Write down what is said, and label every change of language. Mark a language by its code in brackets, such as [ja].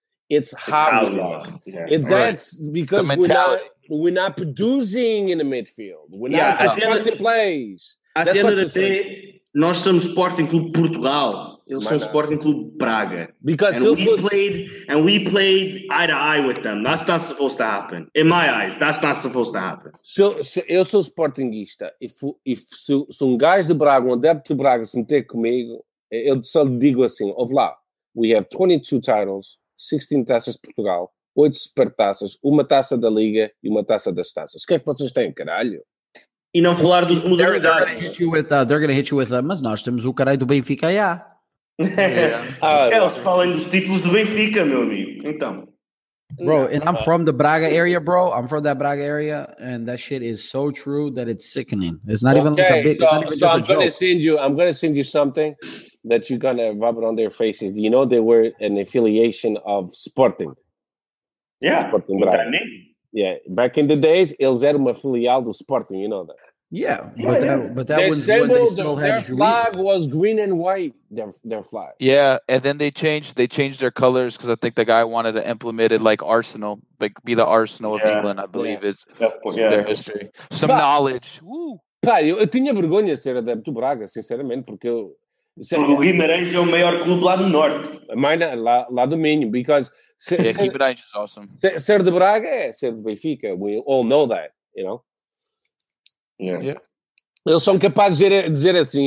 [en] It's how we lost. Yeah. It's that's because we're not producing in the midfield. We're not making plays. At the end of the day, [pt] nós somos Sporting Clube Portugal. Eles são Sporting Clube Braga. [en] Because we played eye to eye with them. That's not supposed to happen. In my eyes, that's not supposed to happen. [pt] So eu sou Sportingista. Se um gajo de Braga, um adepto de Braga, se meter comigo, eu só lhe digo assim, ouve lá, [en] we have 22 titles, [pt] 16 taças de Portugal, 8 supertaças, uma taça da Liga e uma taça das taças. O que é que vocês têm, caralho? E não falar dos modernidades. [en] They're going to hit you with, [pt] mas nós temos o caralho do Benfica, já. Eles falam dos títulos do Benfica, meu amigo. Então. [en] Bro, and I'm from the Braga area, bro. I'm from that Braga area, and that shit is so true that it's sickening. It's not even like a big, it's not even just a joke. I'm going to send you something that you're going to rub it on their faces. Do you know they were an affiliation of Sporting? Yeah. Sporting Braga. That name. Yeah, back in the days, [pt] eles eram uma filial do Sporting, [en] you know that. Yeah, but that was when they still had their flag was green and white, their flag. Yeah, and then they changed their colors because I think the guy wanted to implement it like Arsenal, like be the Arsenal of England, I believe it's their history. Some knowledge. [pt] Pá, eu tinha vergonha de ser adepto do Braga, sinceramente, porque eu... Porque o Guimarães é o maior clube lá do Norte. Lá do Minho, [en] because... Keep it is awesome. [pt] Ser de Braga é ser de Benfica. [en] We all know that, you know? Yeah. [pt] Eles são capazes de dizer assim.